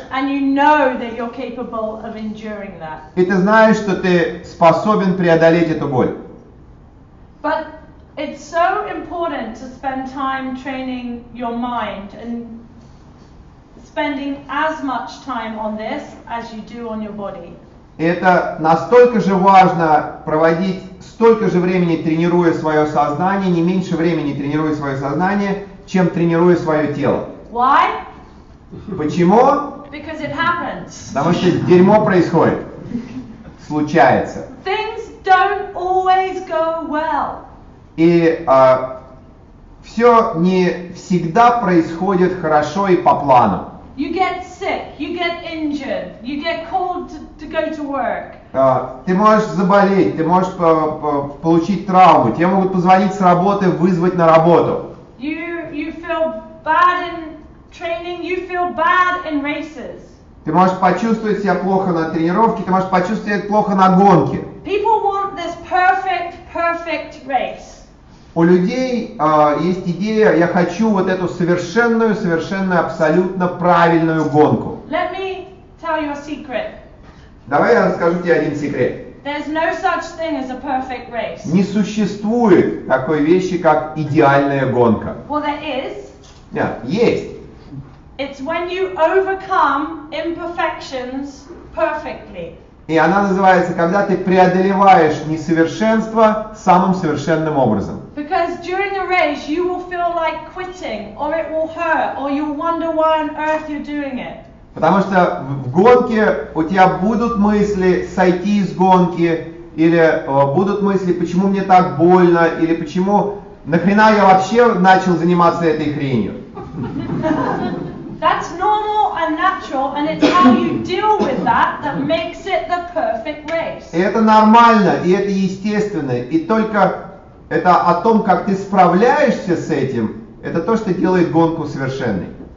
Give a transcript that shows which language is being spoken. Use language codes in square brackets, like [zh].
[en] and you know that you're capable of enduring that. [ru] И ты знаешь, что ты способен преодолеть эту боль. [en] But it's so important to spend time training your mind and spending as much time on this as you do on your body. [ru] Это настолько же важно проводить столько же времени, тренируя свое сознание, не меньше времени тренируя свое сознание, чем тренируя свое тело. [en] Why? [ru] Почему? [en] Because it happens. [ru] Потому что дерьмо происходит. Случается. [en] Things don't always go well. [ru] И все не всегда происходит хорошо и по плану. [en] You get sick, you get injured, you get called to go to work. [ru] Ты можешь заболеть, ты можешь получить травму, тебе могут позвонить с работы, вызвать на работу. [en] You feel bad in training, you feel bad in races. [ru] Ты можешь почувствовать себя плохо на тренировке, ты можешь почувствовать себя плохо на гонке. [en] People want this perfect, perfect race. [ru] У людей есть идея, я хочу вот эту совершенную, совершенно абсолютно правильную гонку. [en] Let me tell you a secret. [ru] Давай я расскажу тебе один секрет. [en] There's no such thing as a perfect race. [ru] Не существует такой вещи, как идеальная гонка. [en] Well, there is. [ru] Нет, есть. [en] It's when you overcome imperfections perfectly. [ru] И она называется, когда ты преодолеваешь несовершенство самым совершенным образом. [en] Because during a race you will feel like quitting, or it will hurt, or you'll wonder why on earth you're doing it. [ru] Потому что в гонке у тебя будут мысли сойти из гонки, или будут мысли, почему мне так больно, или почему нахрена я вообще начал заниматься этой хренью. [en] That's normal and natural, and it's how you deal with that that makes it the perfect race. [ru] Это нормально, и это естественно, и только это о том, как ты справляешься с этим, это то, что делает гонку совершенной.